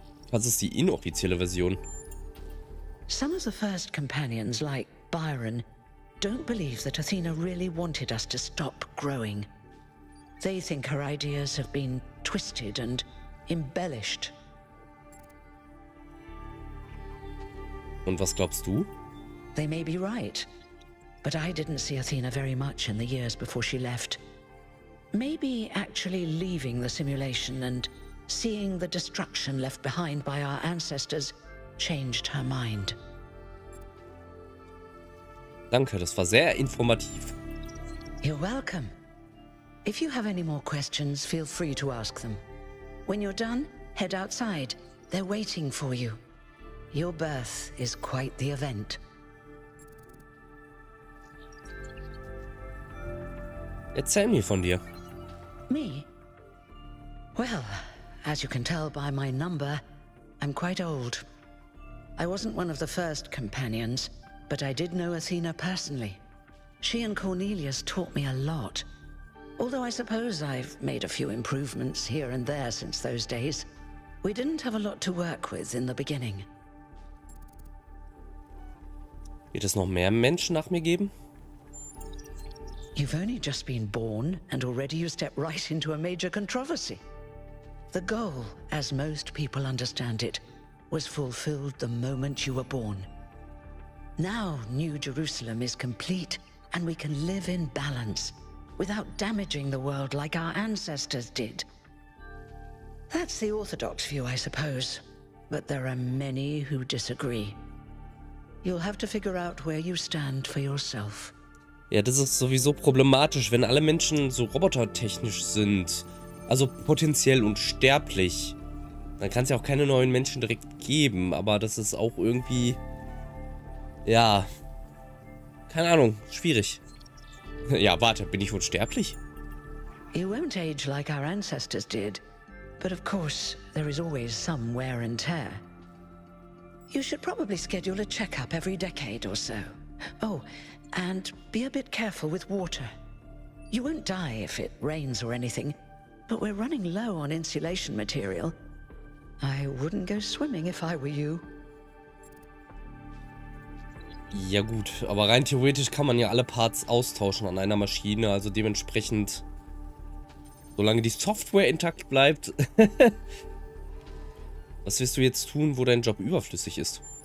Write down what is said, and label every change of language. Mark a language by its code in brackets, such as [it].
[de] Was ist die inoffizielle Version? [en] Some of the first companions, like Byron, don't believe that Athena really wanted us to stop growing. They think her ideas have been twisted and embellished. [de] Und was glaubst du? [en] They may be right, but I didn't see Athena very much in the years before she left. Maybe actually leaving the simulation and seeing the destruction left behind by our ancestors changed her mind. [de] Danke, das war sehr informativ. [en] You're welcome. If you have any more questions, feel free to ask them. When you're done, head outside. They're waiting for you. Your birth is quite the event. [de] Erzähl mir von dir. [en] Me? Well, as you can tell by my number, I'm quite old. I wasn't one of the first companions, but I did know Athena personally. She and Cornelius taught me a lot. Although I suppose I've made a few improvements here and there since those days, we didn't have a lot to work with in the beginning. [de] Wird es noch mehr Menschen nach mir geben? [en] You've only just been born, and already you step right into a major controversy. The goal, as most people understand it, was fulfilled the moment you were born. Now New Jerusalem is complete, and we can live in balance, without damaging the world like our ancestors did. That's the orthodox view, I suppose, but there are many who disagree. You'll have to figure out where you stand for yourself. [de] Ja, das ist sowieso problematisch, wenn alle Menschen so robotertechnisch sind, also potenziell unsterblich. Dann kann es ja auch keine neuen Menschen direkt geben, aber das ist auch irgendwie, ja, keine Ahnung, schwierig. Ja, warte, bin ich unsterblich? [en] You won't age like our ancestors did, but of course there is always some wear and tear. You should probably schedule a checkup every decade or so. Oh, and be a bit careful with water. You won't die if it rains or anything, but we're running low on insulation material. I wouldn't go swimming if I were you. [de] Ja gut, aber rein theoretisch kann man ja alle Parts austauschen an einer Maschine, also dementsprechend, solange die Software intakt bleibt. Was wirst du jetzt tun, wo dein Job überflüssig ist?